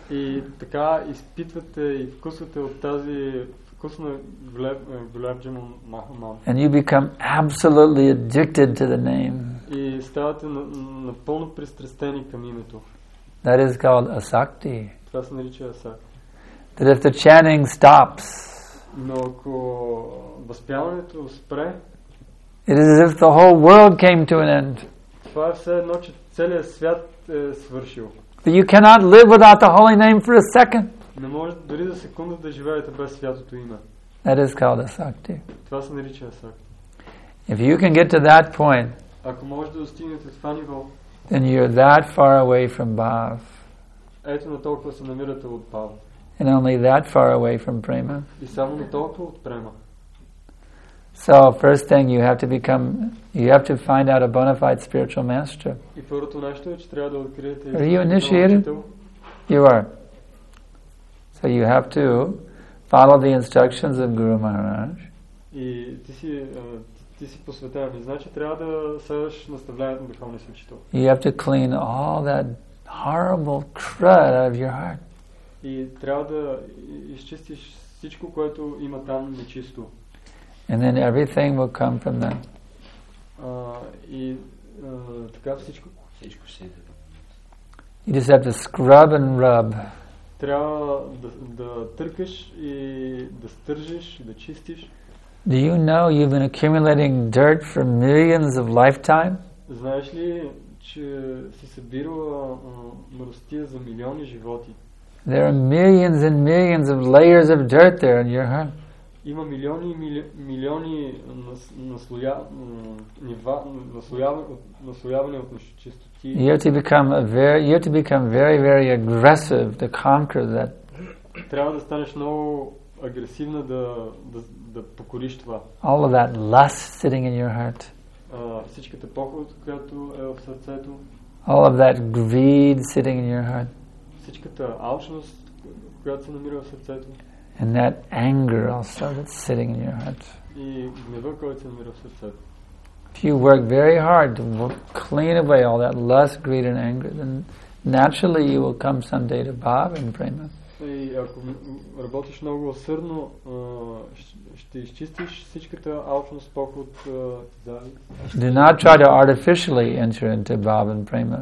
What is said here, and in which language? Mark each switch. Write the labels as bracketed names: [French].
[Bulgarian] И така изпитвате и вкусвате от тази вкусна gulab jamun maha mantra. [English] And you become absolutely addicted to the name. [Bulgarian] И ставате напълно пристрастени към името. [English] That is called asakti. [Bulgarian] Това се нарича асакти. [English] That if the chanting stops, [Bulgarian] но ако възпяването спре, [English] it is as if the whole world came to an end. [Bulgarian] Това е все едно, че целият свят свършил. [English] But you cannot live without the holy name for a second. [Bulgarian] Не може дори за секунда да живеете без святото име. [English] That is called asakti. [Bulgarian] Това се нарича асакти. [English] If you can get to that point, [Bulgarian] ако може да достигнете това ниво, [English] then you're that far away from Bhav. [Bulgarian] Ето на толкова се намирате от Бхав. [English] And only that far away from Prema. [Bulgarian] И само на толкова от Према. [English] So first thing you have to find out a bona fide spiritual master. [Bulgarian] И първото нещо е, че трябва да откриете. [English] Are you initiated? You are. So you have to follow the instructions of Guru Maharaj. [Bulgarian] И ти си посветен, значи трябва да следваш наставлението на духовния учител. [English] You have to clean all that horrible crud out of your heart. [Bulgarian] И трябва да изчистиш всичко, което има там нечисто. [English] And then everything will come from that. [Bulgarian] Така всичко ще иде. [English] You just have to scrub and rub. [Bulgarian] Трябва да търкаш и да стържиш, да чистиш. [English] Do you know you've been accumulating dirt for millions of lifetime? [Bulgarian] Знаеш ли, че си събирала мръстия за милиони животи? [English] There are millions and millions of layers of dirt there in your heart. [Bulgarian] Има милиони и милиони наслоявания от нечистоти. [English] You have to become very, very aggressive to conquer that. [Bulgarian] Трябва да станеш много агресивна да покориш това. [English] All of that lust sitting in your heart. [Bulgarian] Всичката похот, която е в сърцето. [English] All of that greed sitting in your heart. [Bulgarian] Всичката алчност, която се намира в сърцето. [English] And that anger also that's sitting in your heart. [Bulgarian] И гнева, който се намира в сърцето. [English] If you work very hard to clean away all that lust, greed and anger, then naturally you will come someday to Bhava and Prema. [Bulgarian] И ако работиш много усърдно, ще изчистиш всичката алчност, похот, дали. [English] Do not try to artificially enter into Bhava and Prema.